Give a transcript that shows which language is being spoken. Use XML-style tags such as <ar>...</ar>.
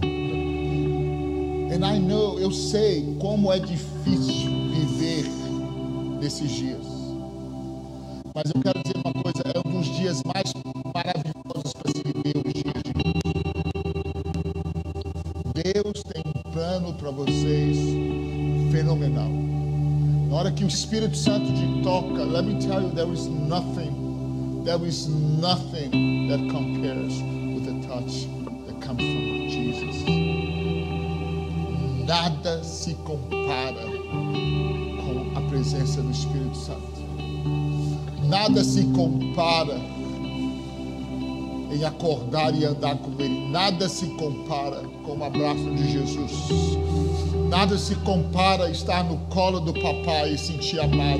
<en>And I know,</en> <pt>eu sei como é difícil viver nesses dias. Mas eu quero dizer uma coisa, é um dos dias mais maravilhosos para se viver os dias de hoje. Deus tem um plano para vocês fenomenal. Na hora que o Espírito Santo te toca,</pt> <en>let me tell you, there is nothing that compares with the touch that comes from Jesus.</en> <pt>Nada se compara com a presença do Espírito Santo. Nada se compara em acordar e andar com Ele. Nada se compara com o abraço de Jesus. Nada se compara a estar no colo do papai e sentir amado.</pt>